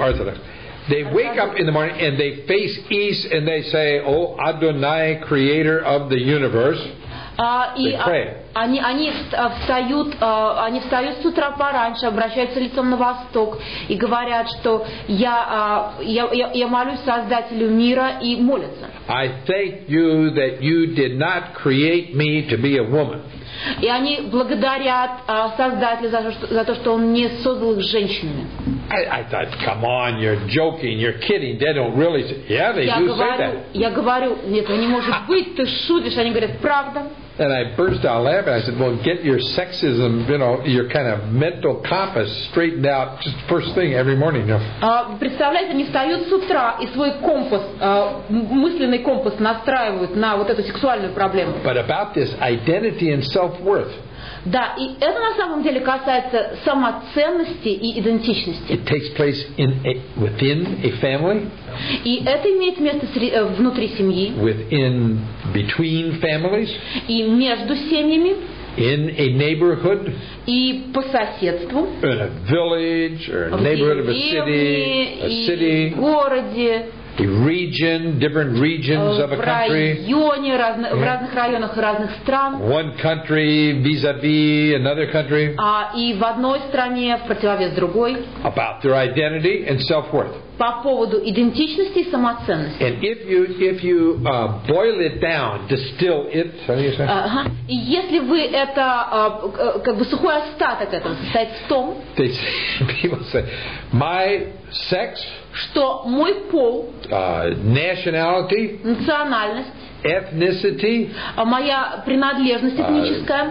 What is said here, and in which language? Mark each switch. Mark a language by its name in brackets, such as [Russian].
[English] The Orthodox. They wake up in the morning and they face east and they say, "Oh, Adonai, Creator of the universe." [Russian] Они встают с утра пораньше, обращаются лицом на восток и говорят, что я молюсь Создателю мира и молятся. [English] I thank you that you did not create me to be a woman. [Russian] И они благодарят Создателя за то, что Он не создал их женщинами. [English] I thought, come on, you're joking, you're kidding. They don't really. Yeah, they do say that. [Russian] Я говорю, нет, не может быть, ты шутишь. Они говорят, правда. [English] And I burst out laughing. I said, well, get your sexism, your kind of mental compass straightened out just first thing every morning. [Russian] Представляете, они встают с утра и свой компас, мысленный компас настраивают на вот эту сексуальную проблему. [English] But about this identity and self-worth. [Russian] Да, и это на самом деле касается самоценности и идентичности. [English] It takes place in within a family. [Russian] И это имеет место внутри семьи. [English] Within between families. [Russian] И между семьями. [English] In a neighborhood. [Russian] И по соседству. [English] In a village or a neighborhood of a city. [Russian] В городе. [English] region, different regions of a country. [Russian] В разных районах и разных стран. [English] One country vis-a-vis another country. [Russian] И в одной стране в противовес другой. [English] About their identity and self-worth. [Russian] По поводу идентичности и самоценности. [English] And if you boil it down, distill it. [Russian] И если вы это как бы сухой остаток этого состоит в том. [English] People say, my sex. [Russian] Что мой пол. [English] Nationality. [Russian] Национальность. [English] Ethnicity, [Russian] моя принадлежность этническая,